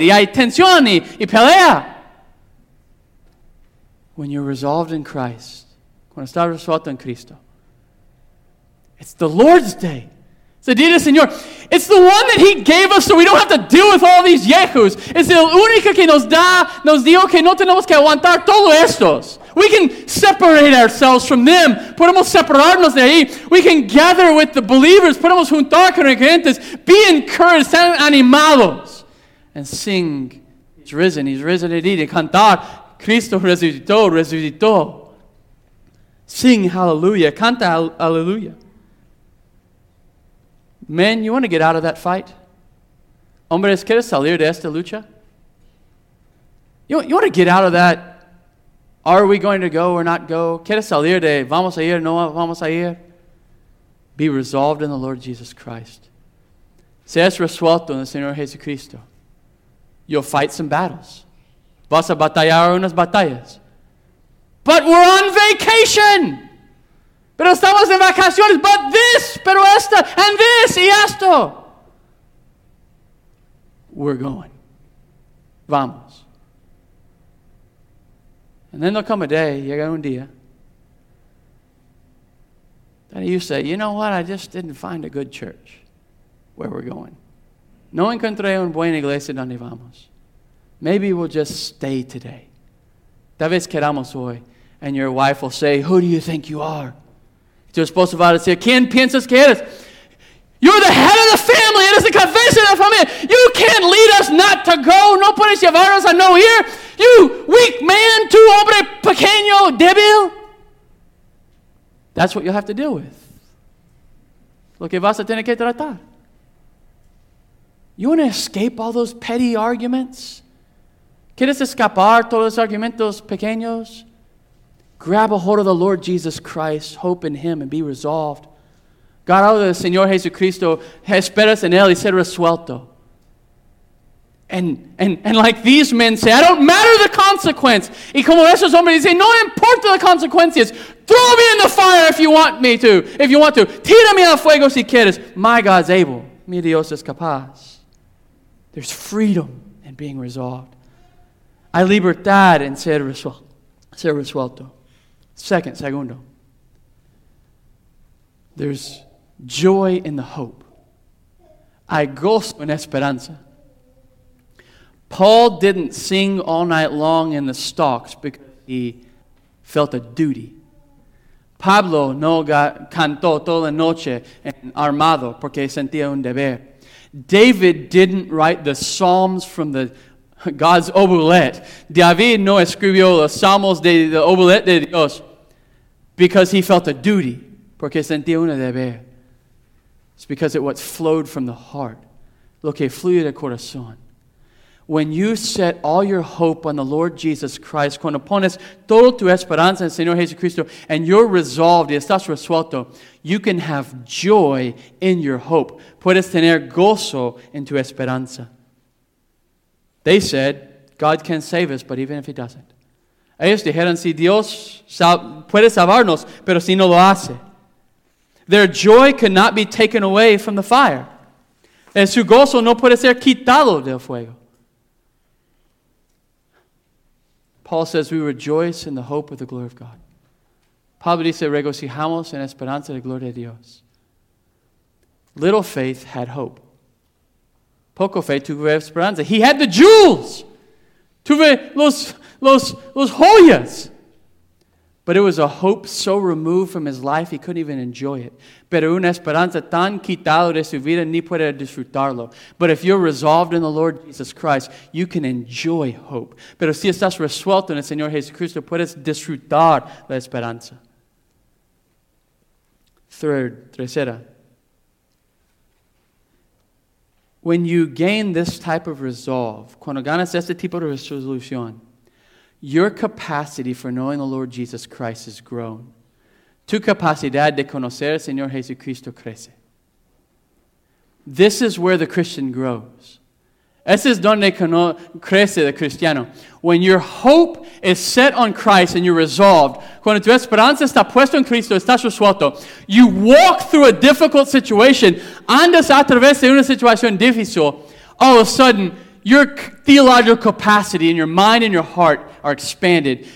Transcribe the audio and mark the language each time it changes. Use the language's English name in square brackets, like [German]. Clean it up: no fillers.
[Spanish] Y hay tensión y pelea. [English] When you're resolved in Christ, [Spanish] cuando estás resuelto en Cristo, [English] it's the Lord's day. It's the Día del Señor. It's the one that He gave us so we don't have to deal with all these yehus. [Spanish] Es el único que nos dio que no tenemos que aguantar todos estos. [English] We can separate ourselves from them. [Spanish] Podemos separarnos de ahí. [English] We can gather with the believers. [Spanish] Podemos juntar con los creyentes. [English] Be encouraged. [Spanish] Sean animados. [English] And sing, He's risen. He's risen indeed. [Spanish] And cantar, Cristo resucitó, resucitó. [English] Sing hallelujah. [Spanish] Canta hallelujah. [English] Men, you want to get out of that fight? [Spanish] Hombres, ¿quieres salir de esta lucha? [English] You want to get out of that? Are we going to go or not go? [Spanish] ¿Quieres salir de vamos a ir, no vamos a ir? [English] Be resolved in the Lord Jesus Christ. [Spanish] Seas resuelto en el Señor Jesucristo. [English] You'll fight some battles. [Spanish] Vas a batallar unas batallas. [English] But we're on vacation! [Spanish] Pero estamos en vacaciones, [English] but this, [Spanish] pero esta, [English] and this, [Spanish] y esto. [English] We're going. [Spanish] Vamos. [English] And then there'll come a day, [Spanish] llega un día, [English] that you say, you know what, I just didn't find a good church where we're going. [Spanish] No encontré una buena iglesia donde vamos. [English] Maybe we'll just stay today. [Spanish] Tal vez quedamos hoy. [English] And your wife will say, who do you think you are? [Spanish] Tu esposo va a decir, ¿quién piensas que eres? [English] You're the head of the family. [Spanish] Eres la cabeza de la familia. [English] You can't lead us not to go. [Spanish] No puedes llevarnos a no ir. [English] You weak man, [Spanish] tu hombre pequeño, débil. [English] That's what you'll have to deal with. [Spanish] Lo que vas a tener que tratar. [English] You want to escape all those petty arguments? [Spanish] ¿Quieres escapar todos los argumentos pequeños? [English] Grab a hold of the Lord Jesus Christ, hope in Him, and be resolved. God, out of the [Spanish] Señor Jesucristo, esperas en Él y ser resuelto. [English] And like these men say, I don't matter the consequence. [Spanish] Y como esos hombres dicen, no importa las consecuencias. [English] Throw me in the fire if you want me to. If you want to. [Spanish] Tírame al fuego si quieres. [English] My God's able. [Spanish] Mi Dios es capaz. [English] There's freedom in being resolved. [Spanish] Hay libertad en ser resuelto. Segundo. [English] There's joy in the hope. [Spanish] Hay gozo en esperanza. [English] Paul didn't sing all night long in the stocks because he felt a duty. [Spanish] Pablo no cantó toda la noche en armado porque sentía un deber. [English] David didn't write the psalms from the God's obelet. [Spanish] David no escribió los salmos de la obelet de Dios. [English] Because he felt a duty. [Spanish] Porque sentía un deber. [English] It's because it what flowed from the heart. [Spanish] Lo que fluye del corazón. [English] When you set all your hope on the Lord Jesus Christ, [Spanish] cuando pones todo tu esperanza en el Señor Jesucristo, [English] and you're resolved, [Spanish] y estás resuelto, [English] you can have joy in your hope. [Spanish] Puedes tener gozo en tu esperanza. [English] They said, God can save us, but even if He doesn't. [Spanish] Ellos dijeron, si Dios puede salvarnos, pero si no lo hace. [English] Their joy could not be taken away from the fire. [Spanish] En su gozo no puede ser quitado del fuego. [English] Paul says, we rejoice in the hope of the glory of God. [Spanish] Pablo dice, regocijamos en esperanza de gloria de Dios. [English] Little faith had hope. [Spanish] Poco fe tuve esperanza. [English] He had the jewels. [Spanish] Tuve los joyas. [English] But it was a hope so removed from his life, he couldn't even enjoy it. [Spanish] Pero una esperanza tan quitado de su vida, ni puede disfrutarlo. [English] But if you're resolved in the Lord Jesus Christ, you can enjoy hope. [Spanish] Pero si estás resuelto en el Señor Jesucristo, puedes disfrutar la esperanza. Tercera. [English] When you gain this type of resolve, [Spanish] cuando ganas este tipo de resolución, [English] your capacity for knowing the Lord Jesus Christ is grown. [Spanish] tu capacidad de conocer al Señor Jesucristo crece. [English] This is where the Christian grows. [Spanish] Ese es donde crece el cristiano. [English] When your hope is set on Christ and you're resolved, [Spanish] cuando tu esperanza está puesta en Cristo, estás resuelto, [English] you walk through a difficult situation, [Spanish] andas a través de una situación difícil, [English] all of a sudden, your theological capacity and your mind and your heart are expanded.